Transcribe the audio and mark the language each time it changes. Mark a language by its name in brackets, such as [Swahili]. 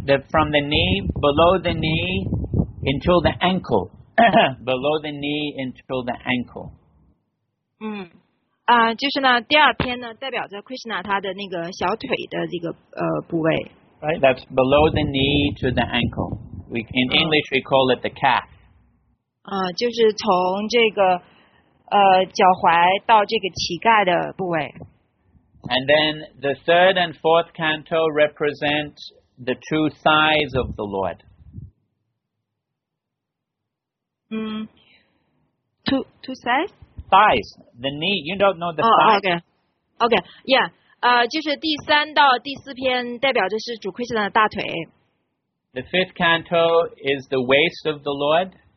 [English] The, from the knee, below the knee, until the ankle. below the knee, until the ankle. [Chinese] 就是呢，第二篇呢，代表着 Krishna 他的那个小腿的这个部位。 [English] Right, that's below the knee to the ankle. In English, we call it the calf. [Chinese] 就是从这个脚踝到这个膝盖的部位。 [English] And then the third and fourth canto represent the two thighs of the Lord. Two thighs? Thighs, the knee. You don't know the thighs. Okay. [Chinese] 就是第三到第四篇代表着是主奎士那的大腿。 [English] The fifth canto is the waist of the Lord.